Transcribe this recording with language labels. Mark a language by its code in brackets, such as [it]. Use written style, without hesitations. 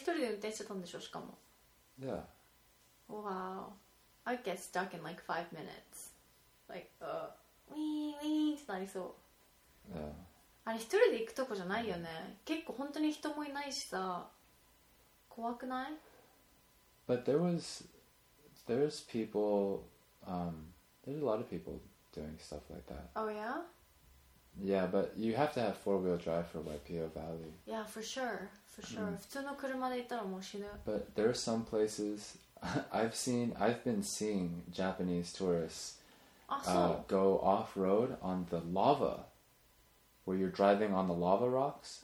[ja] それ一人で運転してたんでしょ、しかも。 [en] Yeah. Wow. I'd get stuck in like 5 minutes. Like, wee wee [ja] ってなりそう。 [en] Yeah. [ja] あれ一人で行くとこじゃないよね。結構本当に人もいないしさ、怖くない？ [en] But there's people, there's a lot of people doing stuff like that. Oh yeah? Yeah, but you have to have four-wheel drive for Waipio Valley. Yeah, for sure. [ja] 普通の車で行ったらもう死ぬ。 [en] But there are some places, I've been seeing Japanese tourists go off-road on the lava, where you're driving on the lava rocks.